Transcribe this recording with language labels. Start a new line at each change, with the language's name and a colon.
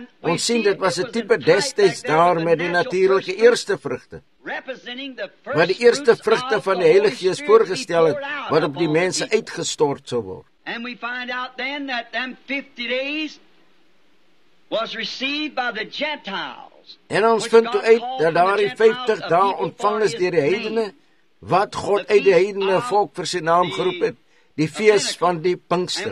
Afrikaans: Ons sien dit was een type destijds daar met die natuurlijke eerste vruchte, wat die eerste vruchte van die Heilige Geest voorgestel het, wat op die mense uitgestort sou word.
English: And we find out then that them 50 days was received by the Gentiles.
Afrikaans: En ons vind toe uit dat daar die 50 dae ontvang is deur die heidene, wat God uit die heidene volk vir sy naam geroep het, die feest van die Pinkster.